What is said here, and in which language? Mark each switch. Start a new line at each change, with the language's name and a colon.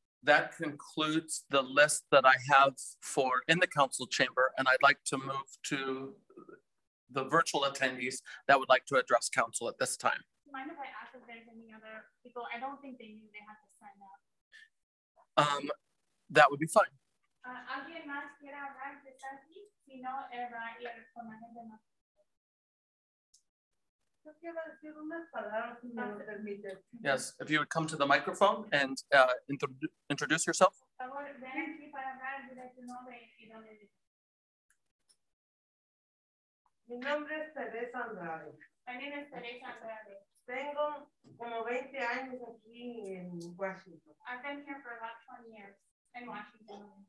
English: That concludes the list that I have for in the council chamber, and I'd like to move to the virtual attendees that would like to address council at this time. Mind if I ask if there's any other people? I don't think they knew they had to sign up. That would be fine.
Spanish: ¿Alguien más quiere hablar de Santi? Si no, era ir con la gente más. Yo quiero decir unas palabras, si me lo permite.
English: Yes, if you would come to the microphone and introduce yourself.
Spanish: Por favor, ven aquí para hablar de tu nombre y dónde vives. Mi nombre es Teresa Andrade.
English: My name is Teresa Andrade.
Spanish: Tengo como 20 años aquí en Washington.
English: I've been here for about 20 years. In Washington.